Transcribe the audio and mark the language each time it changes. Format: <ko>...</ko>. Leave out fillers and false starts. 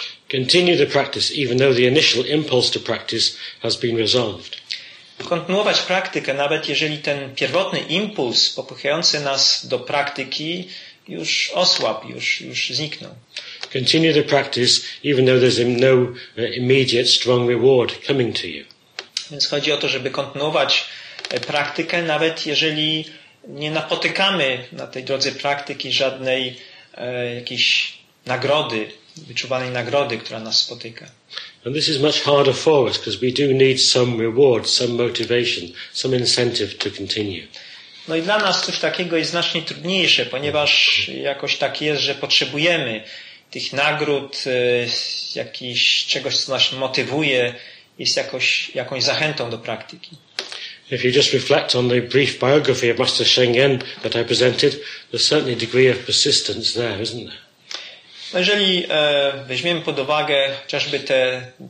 <en>Continue the practice, even though the initial impulse to practice has been resolved.</en> <pl>Kontynuować praktykę, nawet jeżeli ten pierwotny impuls popychający nas do praktyki już osłabł, już zniknął.</pl> <en>Continue the practice, even though there's no immediate strong reward coming to you.</en> <pl>Więc chodzi o to, żeby kontynuować praktykę, nawet jeżeli nie napotykamy na tej drodze praktyki żadnej jakiejś nagrody, wyczuwanej nagrody, która nas spotyka.</pl> <en>And this is much harder for us because we do need some reward, some motivation, some incentive to continue.</en> <pl>No i dla nas coś takiego jest znacznie trudniejsze, ponieważ jakoś tak jest, że potrzebujemy tych nagród, jakiś czegoś, co nas motywuje, jest jakąś zachętą do praktyki.</pl> <en>If you just reflect on the brief biography of Master Sheng Yen that I presented, there's certainly a degree of persistence there, isn't there?</en> <pl>Jeżeli weźmiemy pod uwagę chociażby te</pl>